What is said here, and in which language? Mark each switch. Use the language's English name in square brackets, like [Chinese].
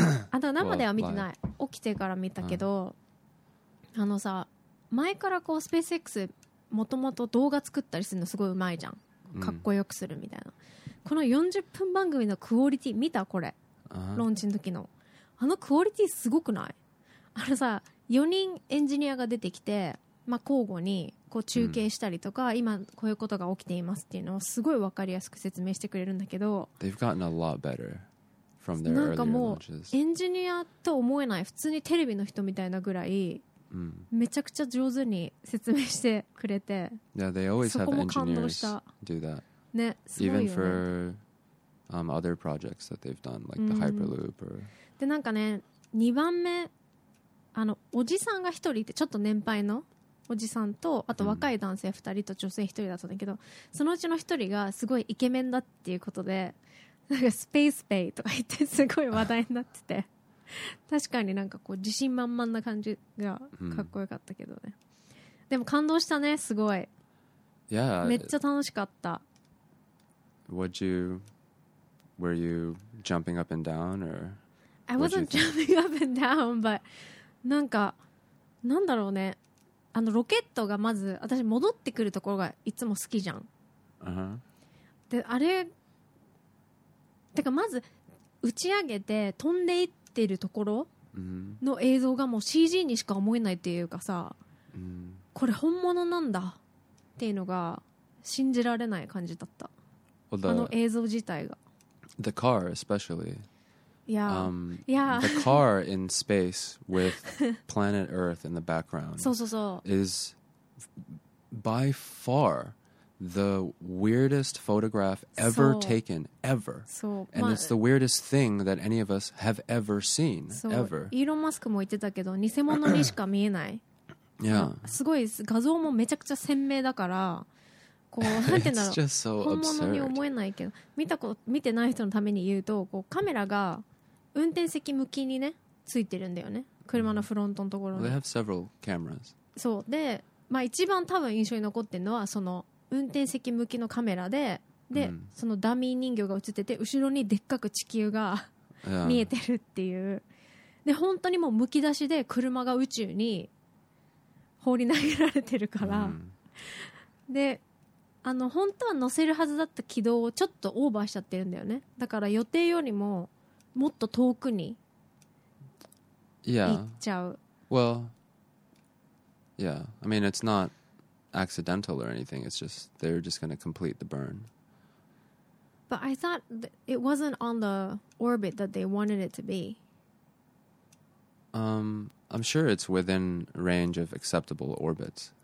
[Japanese] あと生では見てない、起きてから見たけど、あのさ、前からこうスペース X もともと動画作ったりするのすごい上手いじゃん、かっこよくするみたいな、この40分番組のクオリティ見た、これローンチの時のあのクオリティすごくない？あのさ、4人エンジニアが出てきて、まあ、交互にこう中継したりとか、うん、今こういうことが起きていますっていうのをすごい分かりやすく説明してくれるんだけど、 [English] They've gotten a lot better from their earlier launches. [Japanese] なんかもうエンジニアと思えない、普通にテレビの人みたいなぐらい、うん、めちゃくちゃ上手に説明してくれて、 [English] yeah, they always [Japanese] そこも感動した。 [English] Do that. [Japanese] ね、すごいよね。 [English] Even for, other projects that they've done, like the Hyperloop or... [Japanese] でなんかね、2番目あのおじさんが1人いて、ちょっと年配のおじさんと、あと若い男性2人と女性1人だったんだけど、そのうちの1人がすごいイケメンだっていうことで、なんかスペースペイとか言ってすごい話題になってて確かになんかこう自信満々な感じがかっこよかったけどね、でも感動したね、すごい、 [English] yeah. [Japanese] めっちゃ楽しかった。 [English] Would you, were you jumping up and down or? I wasn't jumping up and down, but [Japanese] なんかなんだろうね、あのロケットがまず私戻ってくるところがいつも好きじゃん、であれてかまず打ち上げて飛んでいっているところの映像がもう CG にしか思えないっていうかさ、これ本物なんだっていうのが信じられない感じだった、 [English] well, the, [Japanese] あの映像自体が [English] The car especially Yeah. Yeah. The car in space with planet Earth in the background is by far the weirdest photograph ever taken, ever. And it's the weirdest thing that any of us have ever seen, ever. [Japanese] イーロン・マスクも言ってたけど、偽物にしか見えない。 [English] Yeah. [Japanese] すごい、画像もめちゃくちゃ鮮明だから、こうなんて言うんだろう、本物に思えないけど、見てない人のために言うと、こうカメラが運転席向きにねついてるんだよね、車のフロントのところに。 [English] They have several cameras. [Japanese] そうで、まあ一番多分印象に残ってるのはその運転席向きのカメラで、で、mm. そのダミー人形が映ってて、後ろにでっかく地球が見えてるっていう。で本当にもうむき出しで車が宇宙に放り投げられてるから。で、あの本当は乗せるはずだった軌道をちょっとオーバーしちゃってるんだよね。だから予定よりももっと遠くに行っちゃう。 [English] Yeah. Well, yeah. I mean, it's not accidental or anything. It's just they're just going to complete the burn. But I thought it wasn't on the orbit that they wanted it to be. I'm sure it's within range of acceptable orbits.